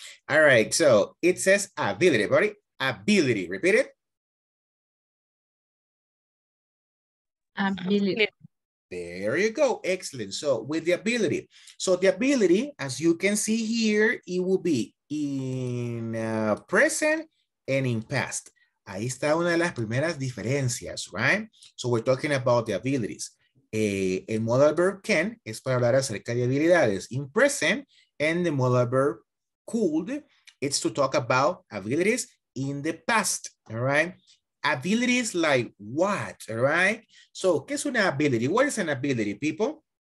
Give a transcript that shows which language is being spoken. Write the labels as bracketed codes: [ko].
[en] All right, so it says ability, buddy. Ability, repeat it. Ability. There you go, excellent. So with the ability. So the ability, as you can see here, it will be in present and in past. [es] Ahí está una de las primeras diferencias, [en] right? So we're talking about the abilities. [es] El modal verb can es para hablar acerca de habilidades. [en] In present, and the modal verb could, it's to talk about abilities in the past, all right? Abilities like what, all right? So, [es] ¿qué es una [en] ability? What is an ability, people?